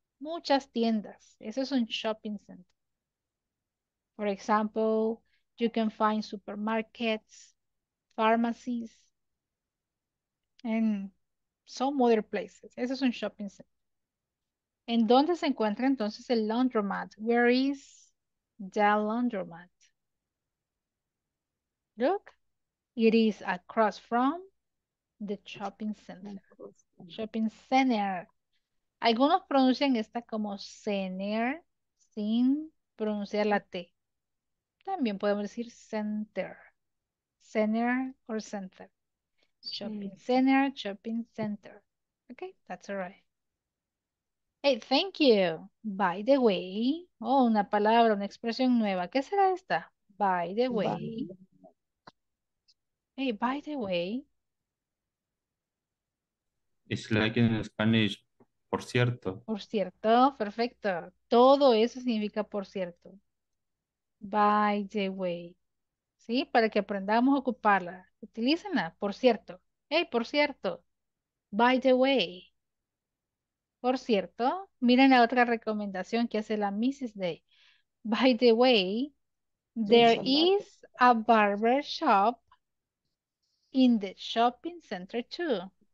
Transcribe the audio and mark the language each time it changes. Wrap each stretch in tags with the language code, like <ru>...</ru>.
<es>Muchas tiendas. Eso es un shopping center.</es> <en>For example, you can find supermarkets, pharmacies, and some other places.</en> <es>Eso es un shopping center. ¿En dónde se encuentra entonces el laundromat?</es> <en>Where is the laundromat? Look, it is across from the shopping center. Shopping center.</en> <es>Algunos pronuncian esta como center sin pronunciar la T. También podemos decir center. Center or center.</es> <en>Shopping center, shopping center. Okay, that's all right. Hey, thank you. By the way.</en> <es>Oh, una palabra, una expresión nueva. ¿Qué será esta?</es> <en>By the way. Bye. Hey, by the way. It's like in Spanish,</en> <es>por cierto. Por cierto, perfecto. Todo eso significa por cierto.</es> <en>By the way.</en> <es>¿Sí? Para que aprendamos a ocuparla. Utilícenla, por cierto. Hey, por cierto.</es> <en>By the way.</en> <es>Por cierto, miren la otra recomendación que hace la Mrs. Day.</es> <en>By the way, there is a barber shop in the shopping center too.</en>